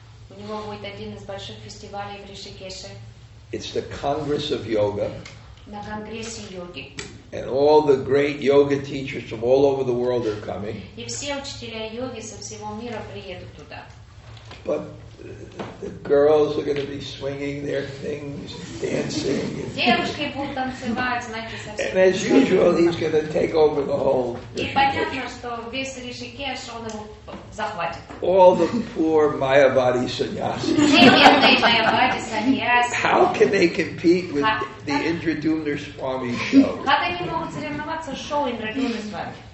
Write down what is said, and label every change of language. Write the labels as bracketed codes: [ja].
[ru] У него будет один из больших фестивалей в Ришикеше. [en] It's the Congress of Yoga. [ru] На конгрессе йоги. [en] And all the great yoga teachers from all over the world are coming. [ru] И все учителя йоги со всего мира приедут туда. [en] But the girls are going to be swinging their things, dancing. [ru] Девушки будут танцевать, знаете, со всеми. [en] And as usual, he's going to take over the whole. [ru] И понятно, что весь Ришикеш он его захватит. [en] All the poor Майявади саньясис. [ru] Все бедные Майявади саньясис. [en] How can they compete with the Indradyumna Swami show? [ru] Как они могут соревноваться с шоу Индрадюмны Свами?